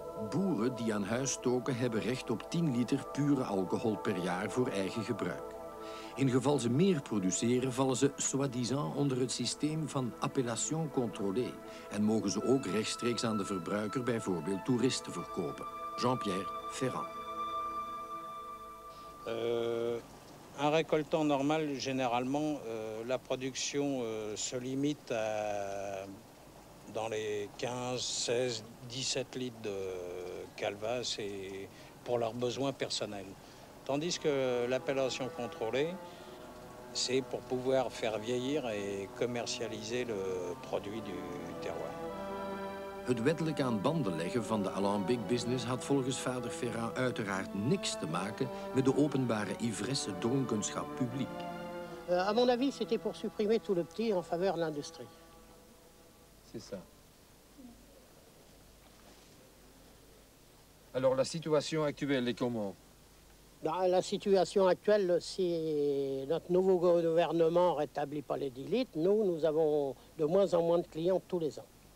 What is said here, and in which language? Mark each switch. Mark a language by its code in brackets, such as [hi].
[nl] Boeren die aan huis stoken hebben recht op 10 liter pure alcohol per jaar voor eigen gebruik. In geval ze meer produceren, vallen ze soi-disant onder het systeem van appellation contrôlée en mogen ze ook rechtstreeks aan de verbruiker bijvoorbeeld toeristen verkopen. Jean-Pierre Ferrand. [fr] Un récoltant normal, généralement, la production se limite à dans les 15, 16, 17 litres de calvas et pour leurs besoins personnels. Tandis que l'appellation contrôlée, c'est pour pouvoir faire vieillir et commercialiser le produit du terroir. [nl] Het wettelijk aan banden leggen van de alambic business had volgens vader Ferrand uiteraard niks te maken met de openbare ivresse dronkenschap publiek. [fr] À mon avis, c'était pour supprimer tout le petit en faveur de l'industrie. C'est ça. Alors la situation actuelle est comment? La situation actuelle, si notre nouveau gouvernement ne rétablit pas les 10 litres, nous avons de moins en moins de clients tous les ans.